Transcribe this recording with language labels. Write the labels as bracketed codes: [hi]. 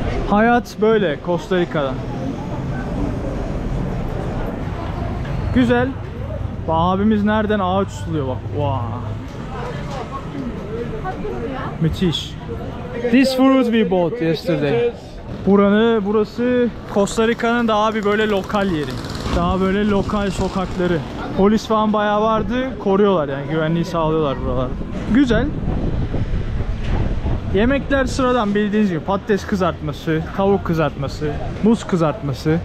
[tr] Hayat böyle Kosta Rika'da. Güzel. Abimiz nereden ağaç suluyor bak. Wow. Müthiş. [en] This fruit we bought yesterday. [tr] Burası Kosta Rika'nın daha bir böyle lokal yeri. Daha böyle lokal sokakları. Polis falan bayağı vardı. Koruyorlar yani. Güvenliği sağlıyorlar buralar. Güzel. Yemekler sıradan bildiğiniz gibi. Patates kızartması, tavuk kızartması, muz kızartması.